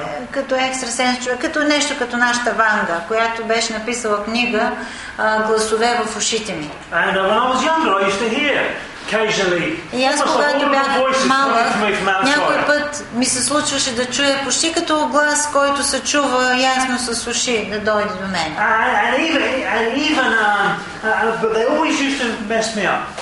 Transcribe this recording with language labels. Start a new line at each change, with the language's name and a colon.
Bulgarian: Като екстрасенс, като нещо като нашата Ванга, която беше написала книга гласове в ушите ми.
English: And when I was younger, I used to hear occasionally.
Bulgarian: И аз когато бях мала, някой път ми се случваше да чуя почти като глас, който се чува ясно с уши, да дойде до мен.
English: But they always used to mess me up.